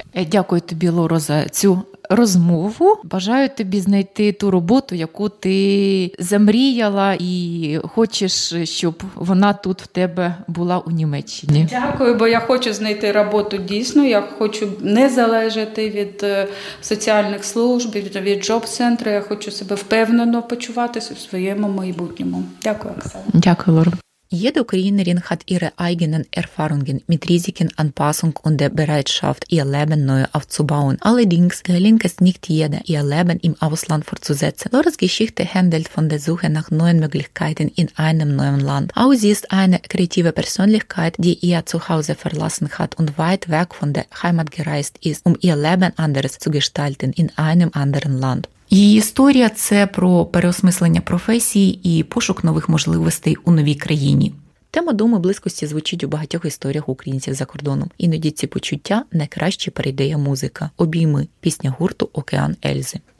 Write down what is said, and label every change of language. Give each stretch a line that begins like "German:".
Ukrainian: Дякую тобі, Лоро, за цю розмову. Бажаю тобі знайти ту роботу, яку ти замріяла і хочеш, щоб вона тут в тебе була у Німеччині. Дякую, бо я хочу знайти роботу дійсно. Я хочу не залежати від соціальних служб, від джоб-центру. Я хочу себе впевнено почуватися в своєму майбутньому. Дякую, Оксана. Дякую, Лора.
German: Jede Ukraine rin hat ihre eigenen Erfahrungen mit Risiken, Anpassung und der Bereitschaft, ihr Leben neu aufzubauen. Allerdings gelingt es nicht jeder, ihr Leben im Ausland fortzusetzen. Loras Geschichte handelt von der Suche nach neuen Möglichkeiten in einem neuen Land. Auch sie ist eine kreative Persönlichkeit, die ihr Zuhause verlassen hat und weit weg von der Heimat gereist ist, um ihr Leben anders zu gestalten in einem anderen Land.
Ukrainian: Її історія – це про переосмислення професії і пошук нових можливостей у новій країні. Тема думи близькості звучить у багатьох історіях українців за кордоном. Іноді ці почуття – найкраще перейдея музика. Обійми – пісня гурту «Океан Ельзи».